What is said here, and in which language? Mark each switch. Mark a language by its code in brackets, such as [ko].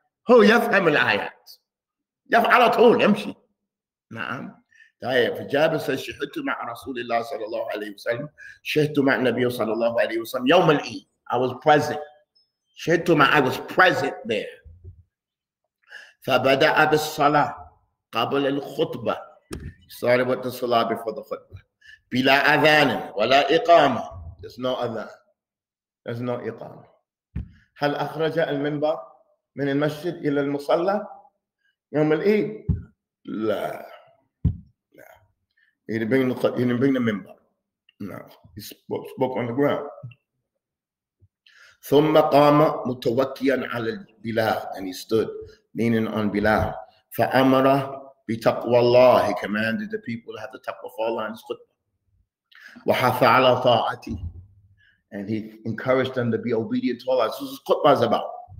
[ar] هو يفهم الآيات يفهم على طول يمشي نعم طيب فجابر سأل شهدت مع رسول الله صلى الله عليه وسلم شهدت مع النبي صلى الله عليه وسلم يوم العيد [en] I was present [ar] شهدت مع [en] I was present there [ar] فبدأ بالصلاة قبل الخطبة. [en] He started with the salah before the khutbah. [ar] بلا أذان ولا إقامة. [en] There's no أذان. There's no إقامة. [ar] هل أخرج المنبر من المسجد إلى المصلى يوم العيد؟ لا. لا. [en] He didn't bring the minbar. No. He spoke on the ground. [ar] ثم قام متوكيا على البلاد. [en] And he stood leaning on بلاد. [ar] فأمر بتقوى الله. [en] He commanded the people to have the taqwa for Allah in his khutbah. [ar] وحث على طاعته. [en] And he encouraged them to be obedient to Allah. So this is what khutbah is about.